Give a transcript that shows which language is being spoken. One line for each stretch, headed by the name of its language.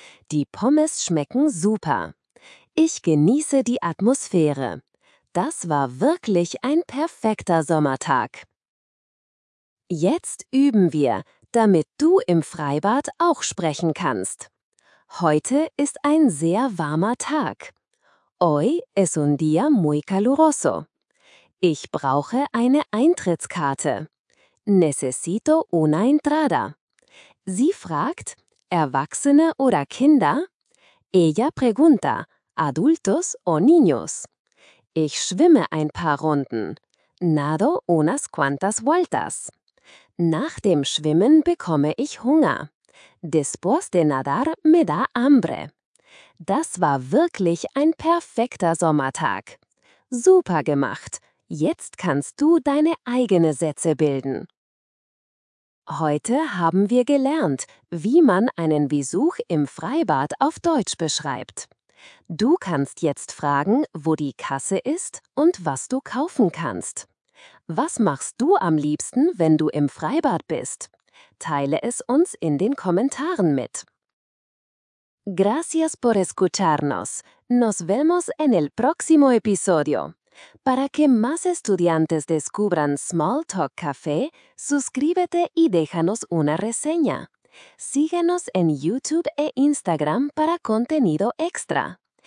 German: Die Pommes schmecken super. Ich genieße die Atmosphäre. Das war wirklich ein perfekter Sommertag. Jetzt üben wir, damit du im Freibad auch sprechen kannst. Heute ist ein sehr warmer Tag.
Spanish: Hoy es un día muy caluroso.
German: Ich brauche eine Eintrittskarte.
Spanish: Necesito una entrada.
German: Sie fragt: Erwachsene oder Kinder?
Spanish: Ella pregunta: Adultos o niños?
German: Ich schwimme ein paar Runden.
Spanish: Nado unas cuantas vueltas.
German: Nach dem Schwimmen bekomme ich Hunger.
Spanish: Después de nadar me da hambre.
German: Das war wirklich ein perfekter Sommertag. Super gemacht. Jetzt kannst du deine eigenen Sätze bilden. Heute haben wir gelernt, wie man einen Besuch im Freibad auf Deutsch beschreibt. Du kannst jetzt fragen, wo die Kasse ist und was du kaufen kannst. Was machst du am liebsten, wenn du im Freibad bist? Teile es uns in den Kommentaren mit.
Spanish: Gracias por escucharnos. Nos vemos en el próximo episodio. Para que más estudiantes descubran Small Talk Café, suscríbete y déjanos una reseña. Síguenos en YouTube e Instagram para contenido extra.